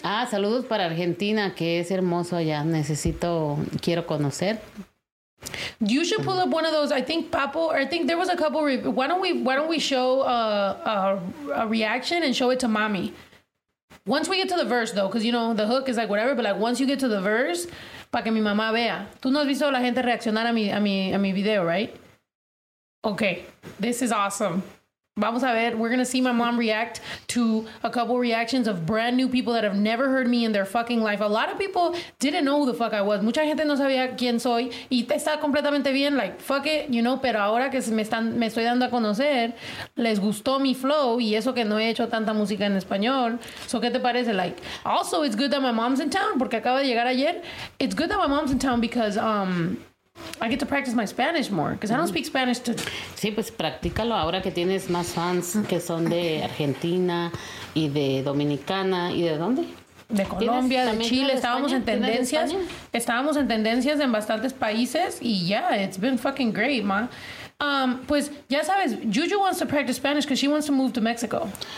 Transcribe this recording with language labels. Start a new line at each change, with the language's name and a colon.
Spanish: Ah, saludos para Argentina, que es hermoso allá. Necesito, quiero conocer.
English: You should pull up one of those. I think Papo, or I think there was a couple. Why don't we show a reaction and show it to Mommy? Once we get to the verse, though, because, you know, the hook is like whatever.
Spanish: But like once you get to the verse, para que mi mamá vea. Tú no has visto a la gente reaccionar a mi video, right?
English: Okay, this is awesome. Vamos a ver. We're going to see my mom react to a couple reactions of brand new people that have never heard me in their fucking life. A lot of people didn't know who the fuck I was.
Spanish: Mucha gente no sabía quién soy. Y está completamente bien. Like, fuck it, you know. Pero ahora que me estoy dando a conocer, les gustó mi flow. Y eso que no he hecho tanta música en español. So, ¿qué te parece?
English: Like, also, it's good that my mom's in town. Porque acaba de llegar ayer. It's good that my mom's in town because, I get to practice my Spanish more because I don't speak Spanish to.
Spanish: Sí, pues practícalo ahora que tienes más fans que son de Argentina y de Dominicana y de dónde? De Colombia, de Chile. Estábamos en tendencias. Estábamos en tendencias en bastantes países.
English: Y yeah, it's been fucking great, ma. Pues ya sabes, Juju wants to practice Spanish because she wants to move to Mexico.